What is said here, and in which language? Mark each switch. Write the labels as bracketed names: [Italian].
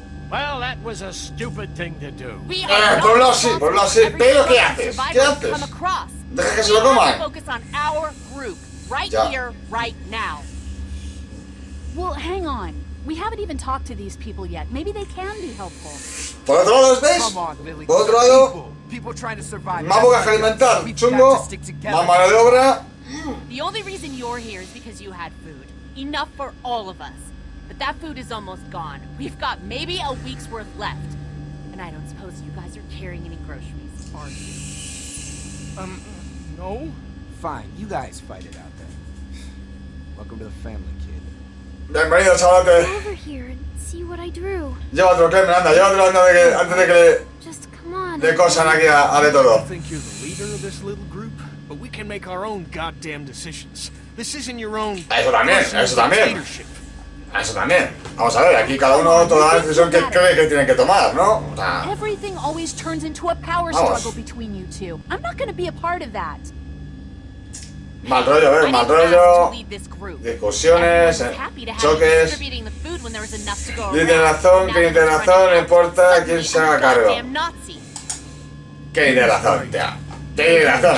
[English] Well, that was a stupid thing to do. [Spanish] Por un lado sí, pero ¿qué haces? Deja que se lo coman. [English] Focus on our group right here, right now. Well, hang on. We haven't even talked to these people yet. Maybe they can be helpful. [Spanish] Por otro lado, ¿ves? Por otro lado, más bocas que alimentar. Chungo, más mano de obra. [English] The only reason you're here is because you had food. Enough for all of us. But that food is almost gone. We've got maybe a week's worth left. And I don't suppose you guys are carrying any groceries, are you? No. Fine, you guys fight it out then. Welcome to the family, kid. [Spanish] Bienvenido, chavate. Llévatelo, Clemen, anda, llévatelo antes de que le dé cosas aquí a de todo. [English] I think you're the leader of this little group, but we can make our own goddamn decisions. This isn't your own. [Spanish] Eso también, eso también. Leadership. Eso también. Vamos a ver, aquí cada uno toma la decisión que cree que tiene que tomar, ¿no? [English] Everything always turns into a power struggle between you two. I'm not going to be a part of that. [Spanish] Mal rollo, ¿eh? Mal rollo, discusiones, choques, ¿quién tiene razón? ¿Quién tiene razón? No importa quién se haga cargo. ¿Quién tiene razón, tía? ¿Quién tiene razón?